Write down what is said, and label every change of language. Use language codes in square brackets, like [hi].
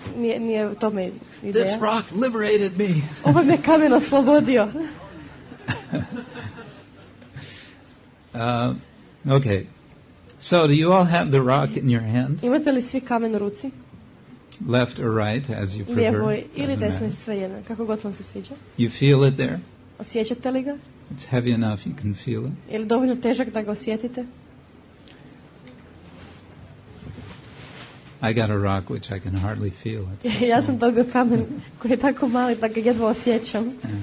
[hr] Nije to me ideja. [en] This rock liberated me. [hr] Ovo me kamen oslobodio. [en] Okay. So do you all have the rock in your hand? [hr] Imate li svi kamen u ruci? [en] Left or right, as you prefer. [hr] Lijevo ili desno, svejedno, kako god vam se sviđa. [en] You feel it there? [hr] Osjećate li ga? [en] It's heavy enough, you can feel it. [hr] Ili dovoljno težak da ga osjetite? [en] I got a rock which I can hardly feel. [hr] Ja sam dobio kamen koji je tako mali da ga jedva osjećam.